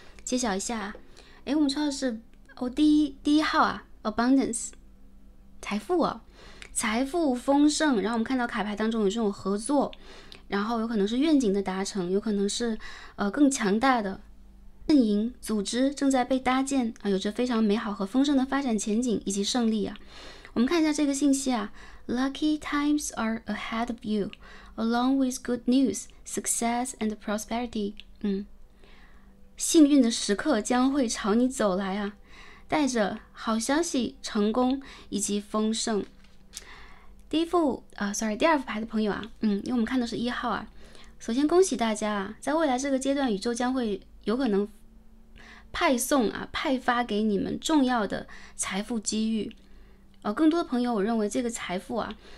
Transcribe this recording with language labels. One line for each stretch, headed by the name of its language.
Chinese: 揭晓一下，我们抽到的是第一号啊 ，Abundance， 财富哦，财富丰盛。然后我们看到卡牌当中有这种合作，然后有可能是愿景的达成，有可能是更强大的阵营组织正在被搭建啊，有着非常美好和丰盛的发展前景以及胜利啊。我们看一下这个信息啊。
English: Lucky times are ahead of you, along with good news, success, and prosperity.
Chinese: 幸运的时刻将会朝你走来啊，带着好消息、成功以及丰盛。第二副牌的朋友啊，因为我们看的是一号啊。首先恭喜大家啊，在未来这个阶段，宇宙将会有可能派发给你们重要的财富机遇。更多的朋友，我认为这个财富啊，